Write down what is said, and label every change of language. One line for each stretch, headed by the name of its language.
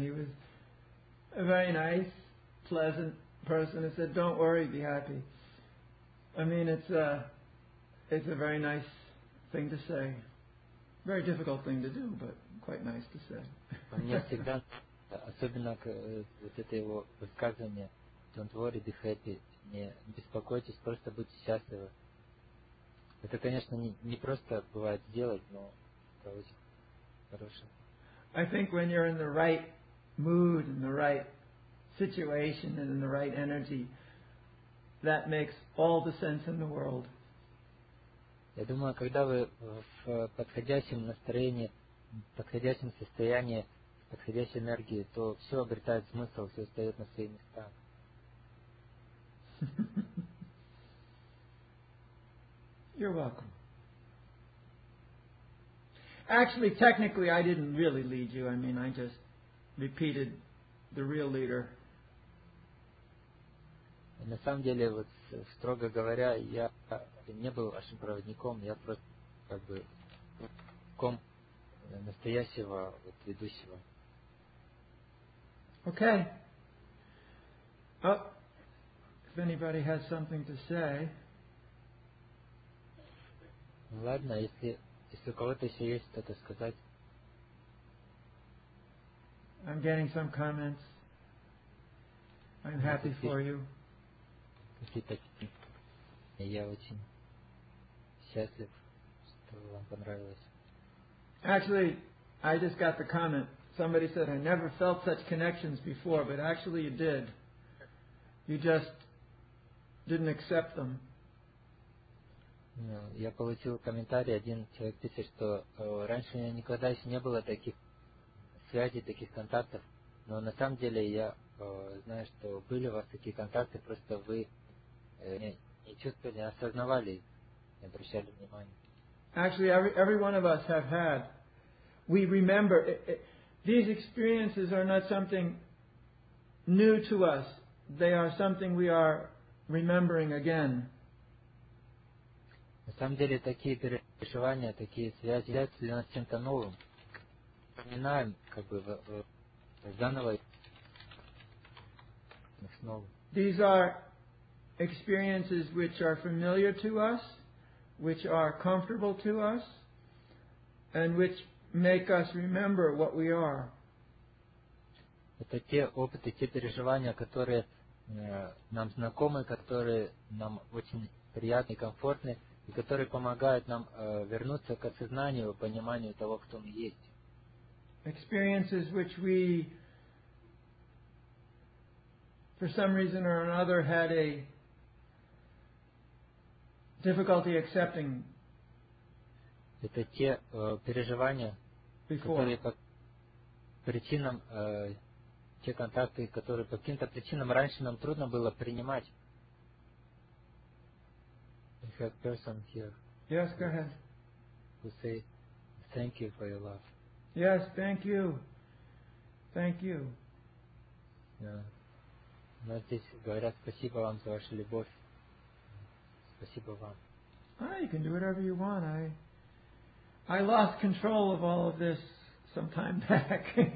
English: He was a very nice, pleasant person. He said, don't worry, be happy. I mean, it's a very nice thing to say. Very difficult thing to do, but quite nice to say.
Russian: Мне всегда особенно вот это его высказывание,
English: don't worry, be happy,
Russian: не беспокойтесь, просто будьте счастливы. Это, конечно, не просто бывает сделать, но это очень хорошо.
English: I think when you're in the right mood, in the right situation, and in the right energy, that makes all the sense in the world.
Russian: Я думаю, когда вы в подходящем настроении, в подходящем состоянии, в подходящей энергии, то все обретает смысл, все встает на свои места.
English: You're welcome. Actually, technically, I didn't really lead you. I mean, I just repeated the real leader.
Russian: На самом деле, вот строго говоря, я не был вашим проводником, я просто как бы ком настоящего вот, ведущего.
English: Okay. Oh, if anybody has something to say.
Russian: Ладно, если у кого-то еще есть что-то сказать.
English: I'm getting some comments. I'm happy for you.
Russian: Я очень счастлив, что вам понравилось.
English: Actually, I just got the comment. Somebody said, I never felt such connections before, but actually you did. You just didn't accept them.
Russian: Я получил комментарий, один человек пишет, что раньше у меня никогда еще не было таких связей, таких контактов, но на самом деле я знаю, что были у вас такие контакты, просто вы не чувствовали, не осознавали, не обращали внимания.
English: Actually, every one of us have had. We remember. These experiences are not something new to us. They are something we are remembering again.
Russian: На самом деле, такие переживания, такие связи являются для нас чем-то новым. Вспоминаем, как бы, заново их снова.
English: These are experiences which are familiar to us, which are comfortable to us, and which make us remember what we are.
Russian: Это те опыты, те переживания, которые нам знакомы, которые нам очень приятны, комфортны, и которые помогают нам вернуться к осознанию, пониманию того, кто мы есть.
English: Experiences which we for some reason or another had a difficulty accepting.
Russian: Это те переживания, которые по причинам, те контакты, которые по каким-то причинам раньше нам трудно было принимать.
English: We have a person here. Yes, go ahead. Who say thank you for your love. Yes, thank you. Thank you. Yeah.
Russian: Но здесь говорят спасибо вам за вашу любовь. Спасибо вам.
English: You can do whatever you want. I lost control of all of this some time back.